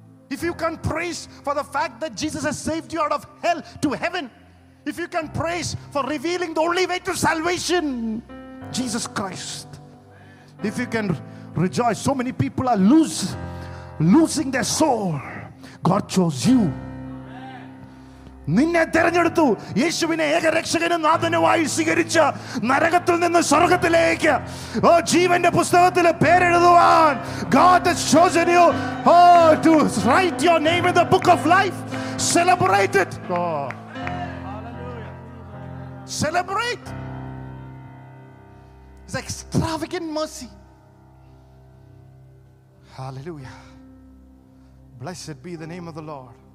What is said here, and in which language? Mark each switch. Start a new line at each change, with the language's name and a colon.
English: If you can praise for the fact that Jesus has saved you out of hell to heaven, if you can praise for revealing the only way to salvation, Jesus Christ, if you can rejoice, so many people are losing their soul. God chose you.
Malayalam: നിന്നെ തിരഞ്ഞെടുത്തു, യേശുവിനെ ഏകരക്ഷകനും നാഥനുമായി സ്വീകരിച്ച് നരകത്തിൽ നിന്ന് സ്വർഗത്തിലേക്ക് ഓ ജീവന്റെ പുസ്തകത്തിൽ പേരെഴുതുവാൻ.
English: God has chosen you. Oh, to write your name in the book of life. Celebrate it. Celebrate. It's extravagant mercy. Hallelujah. Blessed be the name of the Lord.